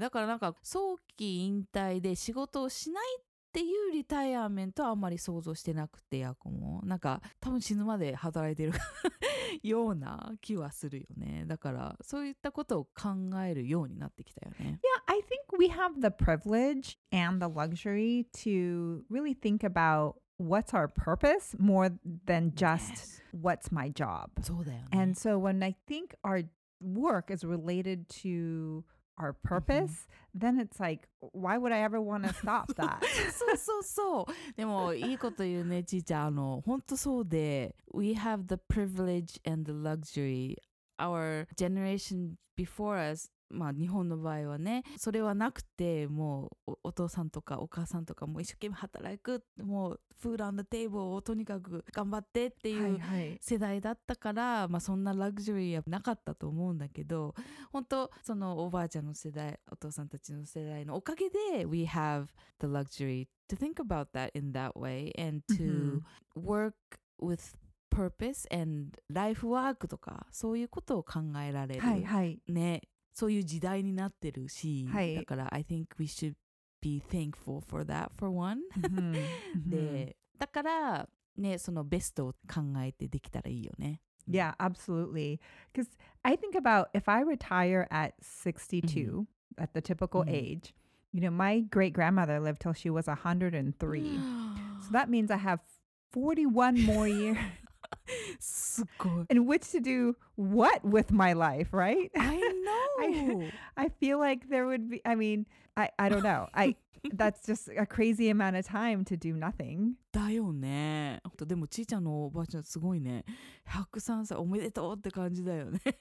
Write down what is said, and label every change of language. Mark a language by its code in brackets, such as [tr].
[ja] だからなんか早期引退で仕事をしないっていうリタイアメントはあんまり想像してなくて、やこもなんか多分死ぬまで働いてるような気はするよね。だからそういったことを考えるようになってきたよね。 [en] Yeah, I think we have the privilege and the luxury to really think about what's our purpose more than just what's my job. [ja] そうだよね。 [en] And so when I think our work is related to our purpose, then it's like, why would I ever want to stop that? [ja] そうそうそう。でもいいこと言うね、ちーちゃん。本当そうで、 [en] we have the privilege and the luxury. Our generation before us, [ja] まあ日本の場合はね、それはなくて、もう お父さんとかお母さんとかも一生懸命働く、もう [en] food on the table [ja] をとにかく頑張ってっていう世代だったから、はいはい、まあそんなラグジュリーはなかったと思うんだけど、本当そのおばあちゃんの世代、お父さんたちの世代のおかげで [en] we have the luxury to think about that in that way and to work withPurpose and life work [ja] とかそういうことを考えられる、はいはい、ね、そういう時代になってるし、はい、だから [en] I think we should be thankful for that for one、 mm-hmm. [ja] で、だからね、そのベストを考えてできたらいいよね。 [en] Yeah, absolutely. Because I think about if I retire at 62、mm-hmm. at the typical、mm-hmm. age, you know, my great grandmother lived till she was 103. So that means I have 41 more years. And which to do what with my life, right? I know. I feel like there would be, I mean, I don't know. that's just a crazy amount of time to do nothing. [ja] だよね。でもちーちゃんのおばあちゃんすごいね。103歳おめでとうって感じだよね。